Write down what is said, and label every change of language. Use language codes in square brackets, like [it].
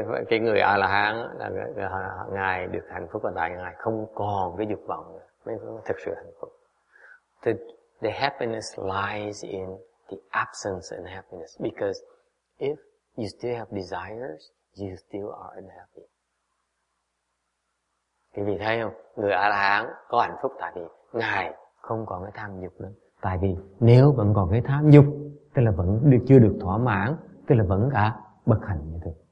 [vi] Cái người A La Hán là ngài được hạnh phúc ở tại ngài không còn cái dục vọng nữa, mới thực sự hạnh phúc. [en] The happiness lies in the absence of happiness, because if you still have desires, you still are unhappy. [vi] Quý vị thấy không? Người A La Hán có hạnh phúc tại vì ngài không còn cái tham dục nữa. Tại vì nếu vẫn còn cái tham dục, tức là vẫn chưa được thỏa mãn, tức là vẫn cả bất hạnh như thế.